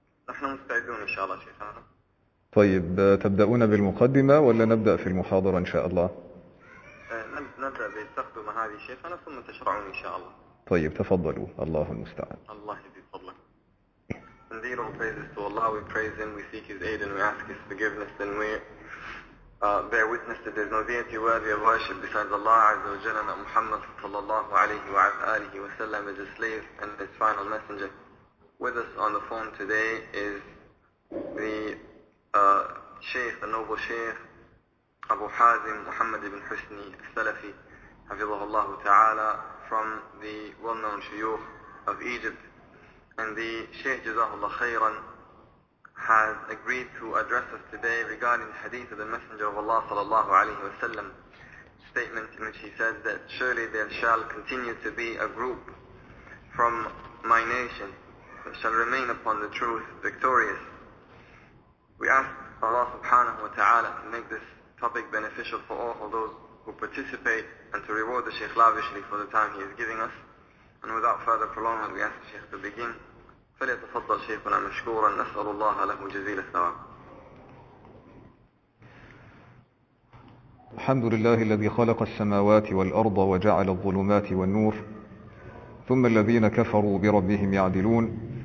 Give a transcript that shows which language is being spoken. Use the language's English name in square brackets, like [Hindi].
[Arabic] نحن مستعدون إن شاء الله شيخنا. طيب، تبدأون بالمقدمة ولا نبدأ في المحاضرة إن شاء الله؟ نبدأ باستخدام هذه شيخنا ثم تشرعون إن شاء الله. طيب تفضلوا، الله المستعان. الله يزيد فضلك. [English] Indeed, all praises to Allah. We praise Him. We seek His aid and we ask His forgiveness. And we bear witness that there is no deity worthy of worship besides Allah Azza wa Jalla, that Muhammad sallallahu alayhi wa alihi wa sallam is a slave and his final messenger. With us on the phone today is the Shaykh, the noble Shaykh Abu Hazim Muhammad ibn Husni al-Salafi hafizahullahu ta'ala, from the well-known Shuyukh of Egypt. And the Shaykh Jazahullah Khairan has agreed to address us today regarding the hadith of the Messenger of Allah sallallahu alayhi wa sallam, statement in which he says that surely there shall continue to be a group from my nation that shall remain upon the truth victorious. We ask Allah subhanahu wa ta'ala to make this topic beneficial for all of those who participate and to reward the Shaykh lavishly for the time he is giving us. And without further prolonging, we ask the Shaykh to begin. [Arabic] فليتفضل شيخنا مشكورا نسأل الله له جزيل الثواب. الحمد لله الذي خلق السماوات والأرض وجعل الظلمات والنور ثم الذين كفروا بربهم يعدلون.